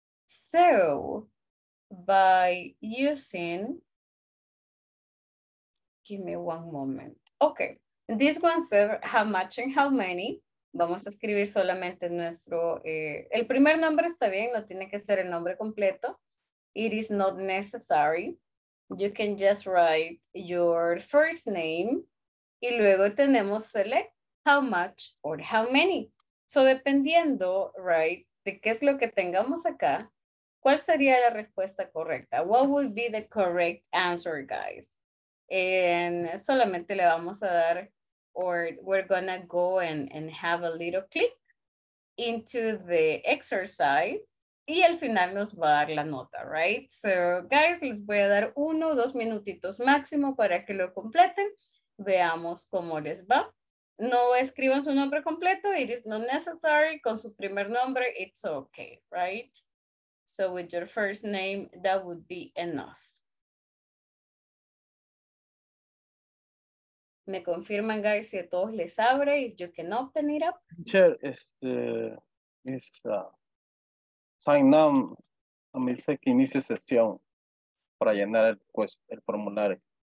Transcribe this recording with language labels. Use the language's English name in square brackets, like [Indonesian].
[English] So, by using, give me one moment. Okay, this one says how much and how many. [Spanish] vamos a escribir solamente nuestro, el primer nombre está bien, no tiene que ser el nombre completo. [English] It is not necessary. You can just write your first name. Y luego tenemos select how much or how many. [Spanish] So dependiendo, right, de qué es lo que tengamos acá, ¿cuál sería la respuesta correcta? [English] What would be the correct answer, guys? And solamente le vamos a dar, or we're gonna go and have a little click into the exercise. [Spanish] Y al final nos va a dar la nota, right? So guys, les voy a dar uno o dos minutitos máximo para que lo completen. Veamos cómo les va. No escriban su nombre completo. [English] It is not necessary. Con su primer nombre, it's okay, right? So with your first name, that would be enough. [Spanish] ¿Me confirman, guys, si a todos les abre? [English] If you can open it up. [Spanish] Teacher, este, es, sign on a mi sé que inicia sesión para llenar el, pues, el formulario.